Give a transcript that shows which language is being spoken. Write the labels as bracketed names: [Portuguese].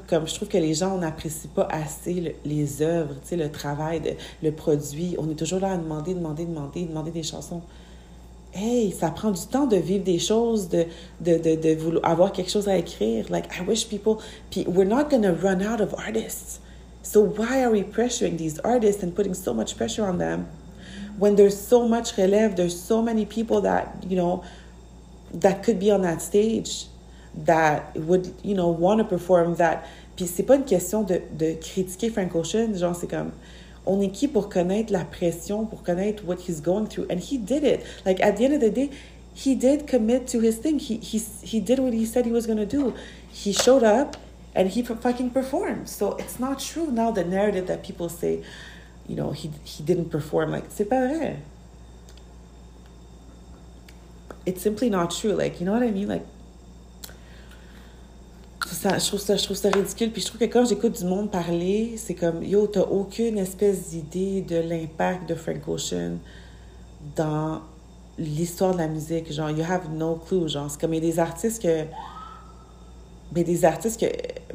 [French] Comme, je trouve que les gens n'apprécient pas assez les œuvres, tu sais, le travail, le produit. On est toujours là à demander des chansons. Hey, ça prend du temps de vivre des choses, de vouloir avoir quelque chose à écrire. [English] Like, I wish people... [French] Puis, [English] we're not going to run out of artists. So why are we pressuring these artists and putting so much pressure on them when there's so much relève, there's so many people that, you know, that could be on that stage, that would, you know, want to perform that. [French] Puis, c'est pas une question de critiquer Frank Ocean. Genre, c'est comme... On est qui pour connaître la pression, pour connaître [English] what he's going through? And he did it. Like, at the end of the day, he did commit to his thing. He did what he said he was going to do. He showed up, and he fucking performed. So it's not true now, the narrative that people say, you know, he didn't perform. Like, [French] c'est pas vrai. [English] It's simply not true. Like, you know what I mean? Like, [French] Ça, je trouve ça ridicule. Puis je trouve que quand j'écoute du monde parler, c'est comme, yo, t'as aucune espèce d'idée de l'impact de Frank Ocean dans l'histoire de la musique. Genre, [English] you have no clue. [French] Genre, c'est comme, il y a des artistes que... Mais des artistes que...